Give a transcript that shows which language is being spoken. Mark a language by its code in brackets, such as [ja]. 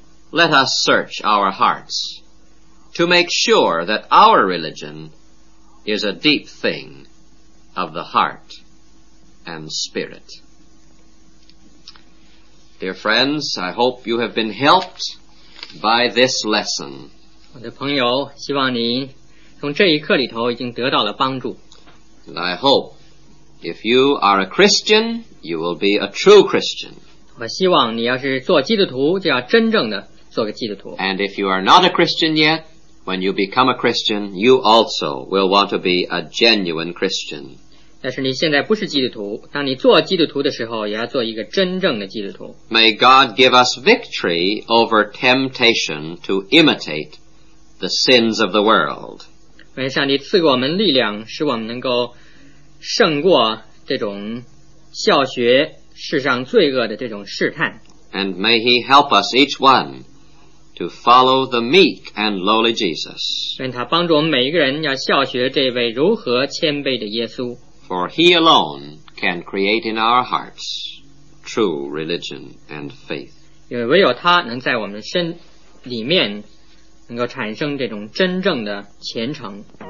[en] Let us search our hearts to make sure that our religion is a deep thing of the heart and spirit. Dear friends, I hope you have been helped by this lesson. [zh] 我的朋友，希望您从这一课里头已经得到了帮助。 [en] And I hope if you are a Christian, you will be a true Christian. [zh] 我希望你要是做基督徒，就要真正的做个基督徒。 [en] And if you are not a Christian yet, when you become a Christian, you also will want to be a genuine Christian. [zh] 但是你现在不是基督徒，当你做基督徒的时候，也要做一个真正的基督徒。 [en] May God give us victory over temptation to imitate the sins of the world. [zh] 愿上帝赐给我们力量，使我们能够胜过这种效学世上罪恶的这种试探。 [en] And may he help us each one to follow the meek and lowly Jesus. [zh] 愿他帮助我们每一个人要效学这位如何谦卑的耶稣。 [en] For he alone can create in our hearts true religion and faith. [zh] 因为唯有他能在我们身里面能够产生这种真正的虔诚。